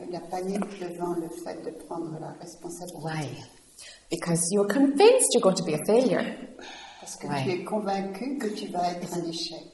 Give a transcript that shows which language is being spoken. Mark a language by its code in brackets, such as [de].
[fr] La panique devant le fait de prendre la responsabilité. [en] Why? Because you're convinced you're going to be a failure. [fr] Parce que Why? Tu es convaincu que tu vas être un échec.